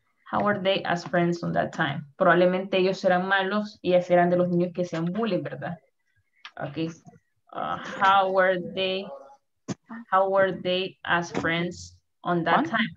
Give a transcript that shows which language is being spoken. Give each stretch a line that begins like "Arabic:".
English: How were they as friends on that time?
Spanish: Probablemente ellos eran malos y eran de los niños que sean bullying, ¿verdad?
English: Okay. How were they as friends on that time?